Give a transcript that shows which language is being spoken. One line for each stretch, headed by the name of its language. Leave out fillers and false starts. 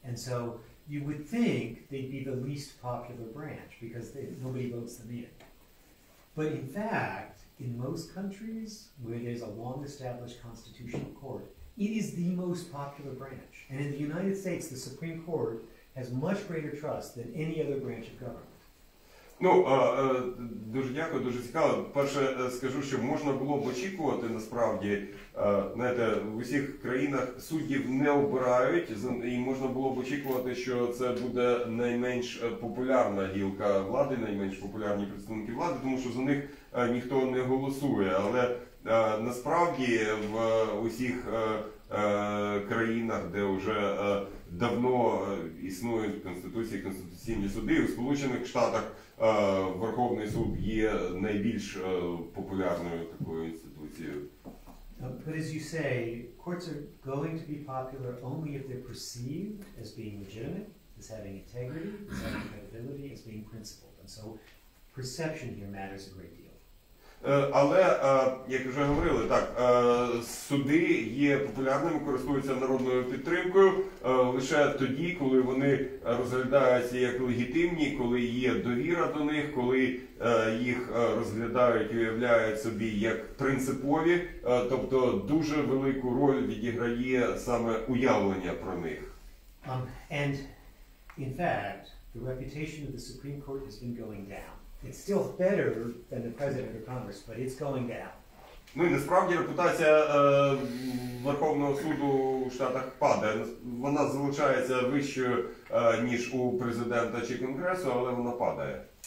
English: And so you would think they'd be the least popular branch because nobody votes them in. But in fact, in most countries where there's a long-established constitutional court, it is the most popular branch. And in the United States, the Supreme Court has much greater trust than any other branch of government.
Ukrainian: Ну, дуже дякую, дуже цікаво. Перше, скажу, що можна було б очікувати, насправді, знаєте, в усіх країнах суддів не обирають, і можна було б очікувати, що це буде найменш популярна гілка влади, найменш популярні представники влади, тому що за них ніхто не голосує. Але насправді в усіх країнах, де вже давно існують конституційні суди, у Сполучених Штатах Верховний суд є найбільш популярною такою інституцією.
English: But as you say, courts are going to be popular only if they're perceived as being legitimate, as having integrity, as having credibility, as being principled. And so perception here matters a great deal.
Ukrainian: Але, як вже говорили, так, суди є популярними, користуються народною підтримкою лише тоді, коли вони розглядаються як легітимні, коли є довіра до них, коли їх розглядають, уявляють собі як принципові, тобто дуже велику роль відіграє саме уявлення про них.
English: And in fact, the reputation of the Supreme Court has been going down. It's still better than the president or Congress, but it's going down.
Ukrainian: Ну, і насправді репутація Верховного суду у Штатах падає. Вона залишається вищою, ніж у президента чи Конгресу, але вона падає.